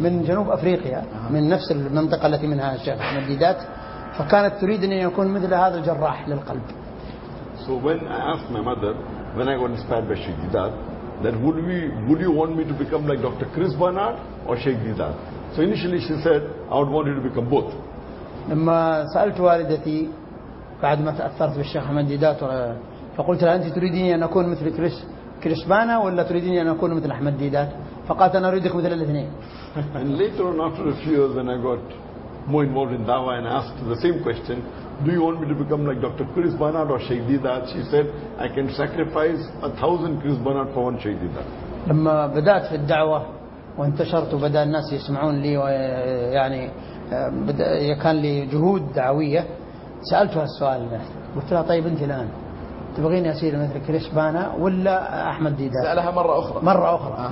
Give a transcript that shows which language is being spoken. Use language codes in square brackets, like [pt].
[ar] من جنوب أفريقيا من نفس المنطقة التي منها الشيخ من البيدات فكانت تريد أن يكون مثل هذا الجراح للقلب. [en] So when I asked my mother when I got inspired by Sheikh Didat that would you want me to become like Dr. Chris Barnard or Sheikh Didat? So initially she said I would want you to become both. [ar] لما سألت والدتي بعد ما تأثرت بالشيخ أحمد ديدات فقلت لها أنت تريديني أن أكون مثل كريشبانا ولا تريديني أن أكون مثل أحمد ديدات فقالت أنا أريدك مثل الاثنين. [en] And later on after a few years when I got more involved in Dawah and asked the same question do you want me to become like Dr. Chris Barnard or Sheikh Didat she said I can sacrifice 1,000 Chris Barnard for one Sheikh Didat. [ar] لما بدأت في الدعوة وانتشرت وبدأ الناس يسمعون لي ويعني كان لي جهود دعوية سألتها السؤال له قلت لها طيب أنت الآن تبغيني أسير مثل كريش بانا ولا أحمد ديدات سألها مرة أخرى